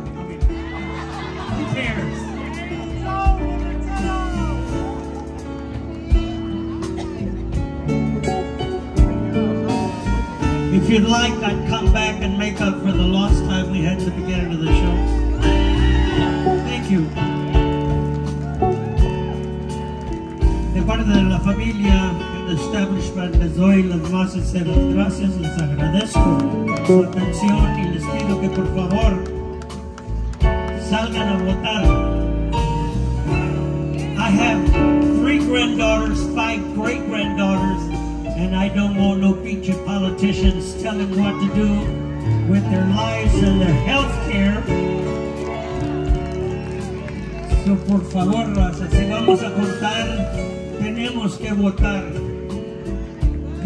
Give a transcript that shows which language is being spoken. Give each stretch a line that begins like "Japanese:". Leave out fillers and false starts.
English: Who cares? If you'd like, I'd come back and make up for the lost time we had to get into the show. Thank you.
Spanish: De parte de la familia, el establishment de Zoe, las gracias, les agradezco su atención y les pido que por favor salgan a votar.
English: I have 3 granddaughters, 5 great-granddaughters, and I don't want no beach of politicians telling what to do with their lives and their health care.
Spanish: So por favor, raza, si vamos a votar, tenemos que votar.